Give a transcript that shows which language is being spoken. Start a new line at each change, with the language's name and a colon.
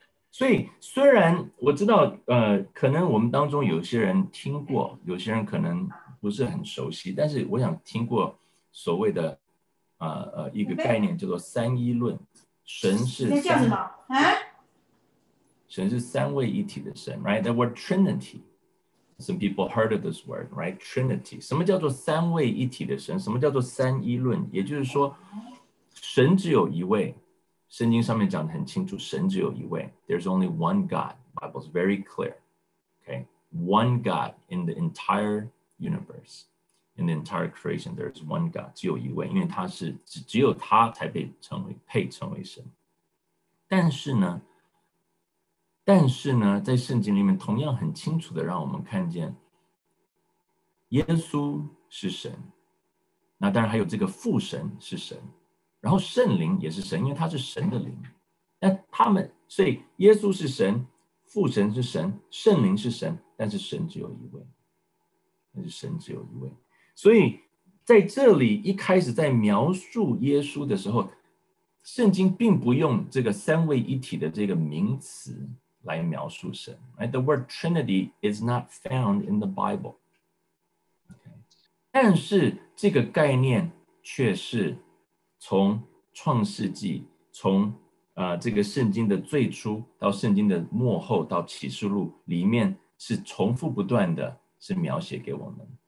Chinese: 所以虽然我知道可能我们当中有些人听过，有些人可能不是很熟悉，但是我想听过所谓的一个概念叫做三一论，神是三位一体的神， right?
English: The word Trinity. Some people heard of this word, right? Trinity.
Chinese: 什么叫做三位一体的神？什么叫做三一论？也就是说神只有一位，圣经上面讲得很清楚，神只有一位。
English: There's only one God. Bible is very clear. Okay, one God in the entire universe, in the entire creation. There's one God.
Chinese: 只有一位，因为他是只有他才被称为神。但是呢，在圣经里面同样很清楚的让我们看见，耶稣是神。那当然还有这个父神是神。然后圣灵也是神，因为他是神的灵。那他们，所以耶稣是神，父神是神，圣灵是神，但是神只有一位。但是神只有一位。所以在这里一开始在描述耶稣的时候，圣经并不用这个三位一体的这个名词来描述神。
English: The word Trinity is not found in the Bible.
Chinese: 但是这个概念却是从创世纪，从这个圣经的最初到圣经的末后到启示录里面是重复不断的是描写给我们。